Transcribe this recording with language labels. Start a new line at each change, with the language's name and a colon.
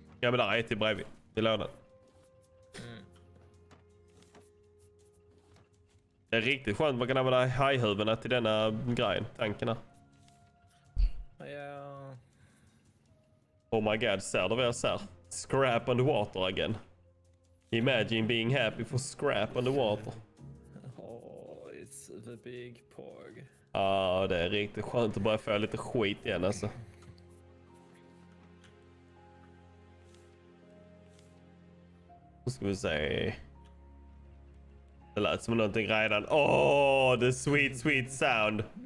Swedish: Ja, men där är ett i bredvid. I lådan. Mm. Det är riktigt skönt. Man kan använda hajhuvudena till denna grejen. Tankerna. Ja.
English: Oh my god,
Swedish: ser du vad jag ser?
English: Scrap and water again. Imagine being happy for scrap on the water. Oh, it's the big pog.
Swedish: Ja, oh, det är riktigt skönt att börja få lite skit igen alltså. Vad ska vi säga? Det lät som någonting redan.
English: Oh, the sweet, sweet sound.